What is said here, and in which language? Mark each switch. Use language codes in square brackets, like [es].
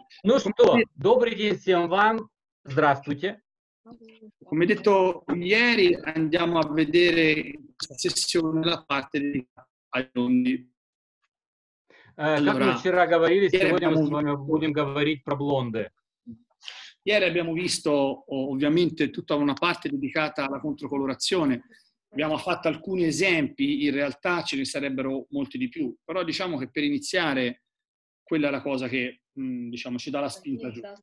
[ru] Ну что, добрый день всем вам. Здравствуйте. [it] Come detto ieri, andiamo a vedere la sessione da parte di alunni. Allora, come [ru] вчера говорили, сегодня мы с вами будем говорить про блонды. [it] Ieri abbiamo visto ovviamente tutta una parte dedicata alla controcolorazione. Abbiamo fatto alcuni esempi, in realtà ce ne sarebbero molti di più, però diciamo che per iniziare quella è la cosa che diciamo ci dà la spinta giù.